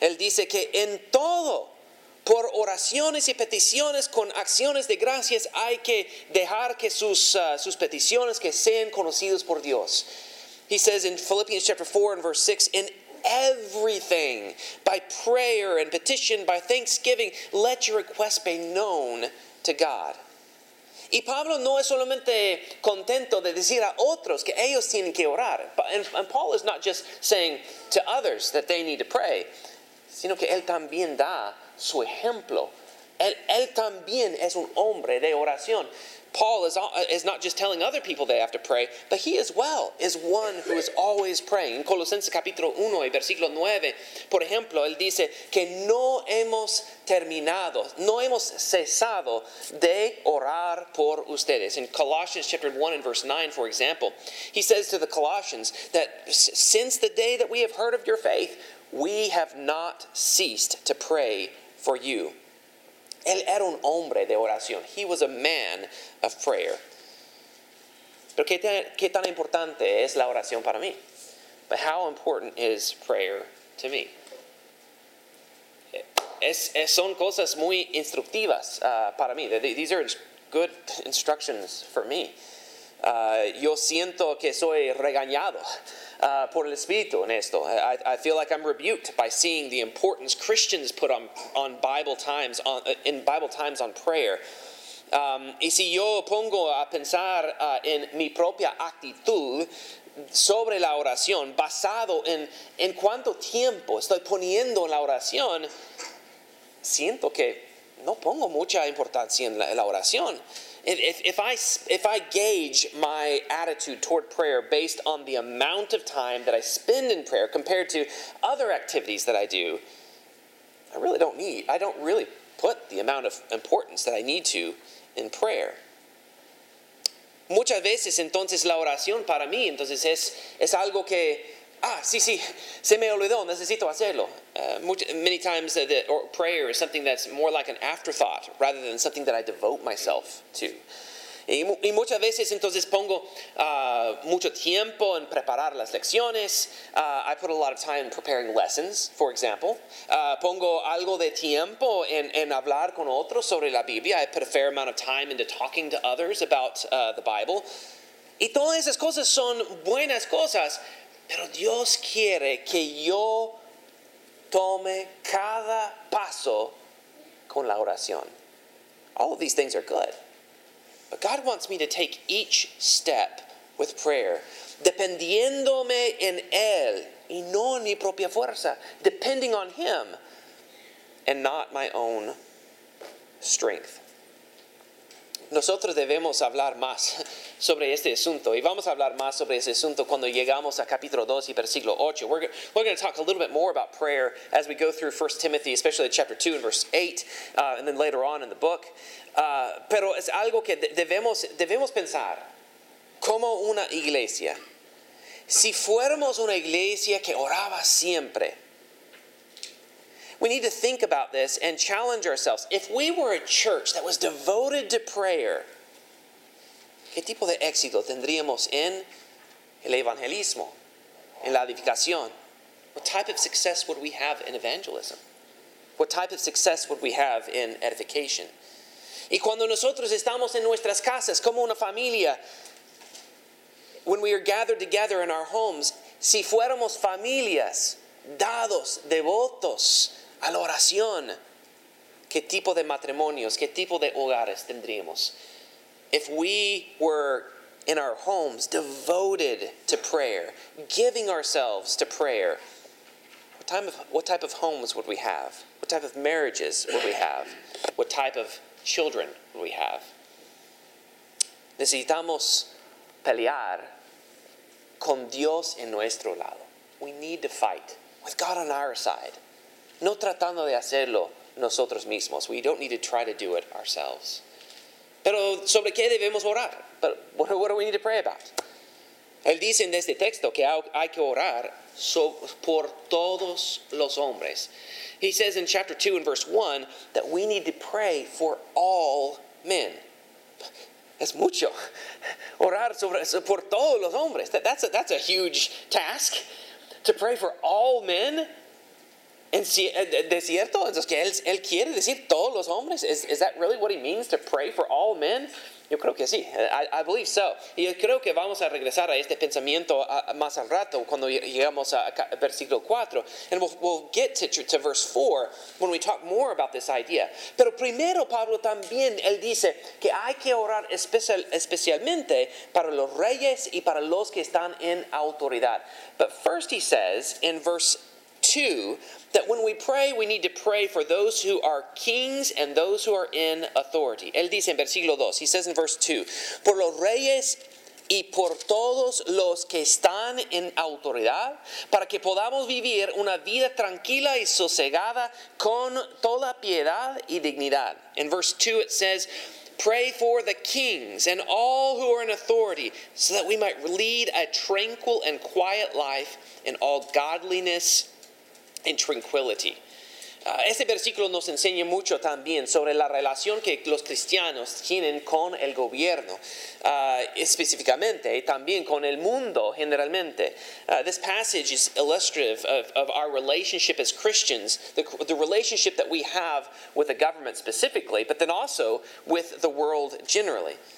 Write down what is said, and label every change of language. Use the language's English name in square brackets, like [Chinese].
[Spanish] él dice que en todo, por oraciones y peticiones con acciones de gracias, hay que dejar que sus peticiones que sean conocidos por Dios. [English] He says in Philippians chapter 4 and verse 6, in everything, by prayer and petition, by thanksgiving, let your requests be known to God. [Spanish] Y Pablo no es solamente contento de decir a otros que ellos tienen que orar. [English] And Paul is not just saying to others that they need to pray, [Spanish] sino que él también da su ejemplo. Él también es un hombre de oración. [English] Paul is not just telling other people they have to pray, but he as well is one who is always praying. [Spanish] In Colosenses capítulo 1 y versículo 9, por ejemplo, él dice que no hemos cesado de orar por ustedes. [English] In Colossians chapter 1 and verse 9, for example, he says to the Colossians that since the day that we have heard of your faith, we have not ceased to pray for you. [Spanish] Él era un hombre de oración. [English] He was a man of prayer. [Spanish] Pero qué tan importante es la oración para mí? [English] But how important is prayer to me? [Spanish] Son cosas muy instructivas para mí. [English] These are good instructions for me. [Spanish] Yo siento que soy regañado por el Espíritu en esto. [English] I feel like I'm rebuked by seeing the importance Christians put on Bible times on prayer. [Spanish] Y si yo pongo a pensar en mi propia actitud sobre la oración, basado en cuánto tiempo estoy poniendo en la oración, siento que no pongo mucha importancia en la oración. [English] If I gauge my attitude toward prayer based on the amount of time that I spend in prayer compared to other activities that I do, I don't really put the amount of importance that I need to in prayer. [Spanish] Muchas veces, entonces, la oración para mí, entonces, es algo que, sí, se me olvidó, necesito hacerlo. [English] Many times or prayer is something that's more like an afterthought rather than something that I devote myself to. [Spanish] Y muchas veces entonces pongo mucho tiempo en preparar las lecciones. [English] I put a lot of time in preparing lessons, for example. [Spanish] Pongo algo de tiempo en hablar con otros sobre la Biblia. [English] I put a fair amount of time into talking to others about the Bible. [Spanish] Y todas esas cosas son buenas cosas, pero Dios quiere que yo tome cada paso con la oración. [English] All of these things are good. But God wants me to take each step with prayer, [Spanish] dependiéndome en Él y no en mi propia fuerza, [English] depending on him and not my own strength. [Spanish] Nosotros debemos hablar más sobre este asunto, y vamos a hablar más sobre este asunto cuando llegamos a capítulo 2 y versículo 8. [English] We're going to talk a little bit more about prayer as we go through 1 Timothy, especially chapter 2 and verse 8, and then later on in the book. [Spanish] Pero es algo que debemos pensar como una iglesia. Si fuéramos una iglesia que oraba siempre, [English] we need to think about this and challenge ourselves. If we were a church that was devoted to prayer, [Spanish] ¿qué tipo de éxito tendríamos en el evangelismo, en la edificación? [English] What type of success would we have in evangelism? What type of success would we have in edification? [Spanish] Y cuando nosotros estamos en nuestras casas como una familia, [English] when we are gathered together in our homes, [Spanish] si fuéramos familias dados, devotos a la oración, ¿qué tipo de matrimonios, qué tipo de hogares tendríamos? [English] If we were in our homes devoted to prayer, giving ourselves to prayer, what type of homes would we have? What type of marriages would we have? What type of children would we have? [Spanish] Necesitamos pelear con Dios en nuestro lado. [English] We need to fight with God on our side. [Spanish] No tratando de hacerlo nosotros mismos. [English] We don't need to try to do it ourselves. [Spanish] Pero sobre qué debemos orar? [English] But what do we need to pray about? [Spanish] Él dice en este texto que hay que orar por todos los hombres. [English] He says in chapter 2 and verse 1 that we need to pray for all men. [Spanish] Es mucho. Orar por todos los hombres. [English] That's a huge task. To pray for all men. [Spanish] ¿De cierto? Entonces, ¿que él quiere decir todos los hombres? [English] Is that really what he means, to pray for all men? [Spanish] Yo creo que sí. [English] I believe so. [Spanish] Y yo creo que vamos a regresar a este pensamiento más al rato cuando llegamos a versículo 4. [English] And we'll get to verse 4 when we talk more about this idea. [Spanish] Pero primero, Pablo también, él dice que hay que orar especialmente para los reyes y para los que están en autoridad. [English] But first he says in verse 2, that when we pray, we need to pray for those who are kings and those who are in authority. [Spanish] Él dice en versículo 2, [English] he says in verse 2, [Spanish] por los reyes y por todos los que están en autoridad, para que podamos vivir una vida tranquila y sosegada con toda piedad y dignidad. [English] In verse 2, it says, pray for the kings and all who are in authority, so that we might lead a tranquil and quiet life in all godliness and tranquility. [Spanish] Este versículo nos enseña mucho también sobre la relación que los cristianos tienen con el gobierno, específicamente, y también con el mundo generalmente. [English] This passage is illustrative of our relationship as Christians, the relationship that we have with the government specifically, but then also with the world generally.